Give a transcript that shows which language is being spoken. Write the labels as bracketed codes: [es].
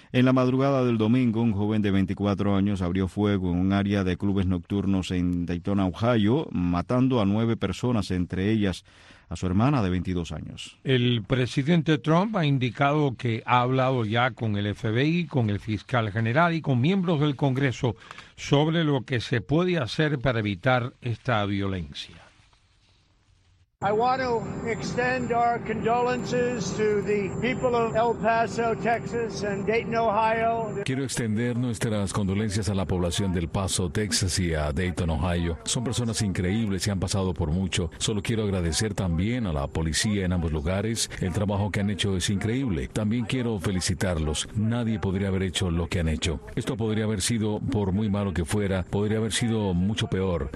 [es] En la madrugada del domingo, un joven de 24 años abrió fuego en un área de clubes nocturnos en Daytona, Ohio, matando a 9 personas, entre ellas a su hermana de 22 años. El presidente Trump ha indicado que ha hablado ya con el FBI, con el fiscal general y con miembros del Congreso sobre lo que se puede hacer para evitar esta violencia. [en] I want to extend our condolences to the people of El Paso, Texas, and Dayton, Ohio. [es] Quiero extender nuestras condolencias a la población del Paso, Texas, y a Dayton, Ohio. Son personas increíbles y han pasado por mucho. Solo quiero agradecer también a la policía en ambos lugares. El trabajo que han hecho es increíble. También quiero felicitarlos. Nadie podría haber hecho lo que han hecho. Esto podría haber sido, por muy malo que fuera, podría haber sido mucho peor.